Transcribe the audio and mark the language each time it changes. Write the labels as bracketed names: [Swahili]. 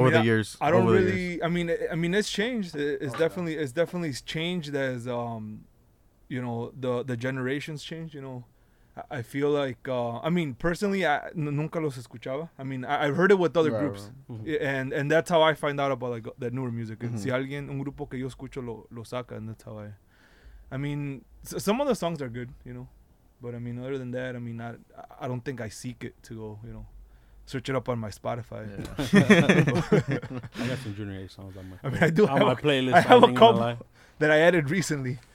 [English] I mean, it's changed. It's definitely changed as you know, the generations change, you know. I feel like, personally, [Spanish] nunca los escuchaba. [English] I mean, I've heard it with other groups. Mm-hmm. And that's how I find out about, like, that newer music. Mm-hmm. [Spanish] Si alguien, un grupo que yo escucho, lo saca. [English] And that's how some of the songs are good, you know. But, I mean, other than that, I mean, I don't think I seek it to go, you know, search it up on my Spotify. Yeah. I got some Junior H songs on my playlist. I have a couple that I added recently.